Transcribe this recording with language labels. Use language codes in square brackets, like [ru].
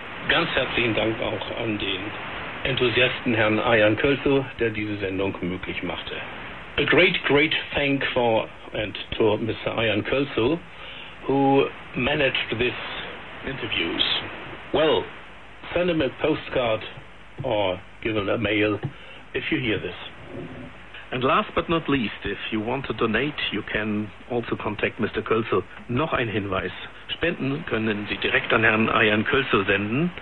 [de] Ganz herzlichen Dank auch an den Enthusiasten Herrn Ayan Kölzo, der diese Sendung möglich machte. [en] A great, great thank for and to Mr. Ayan Kölzo, who managed this interviews. Well, send him a postcard or give him a mail if you hear this. And last but not least, if you want to donate, you can also contact Mr. [de] Kölzo. Noch ein Hinweis. Spenden können Sie direkt an Herrn Ayan Kölzo senden.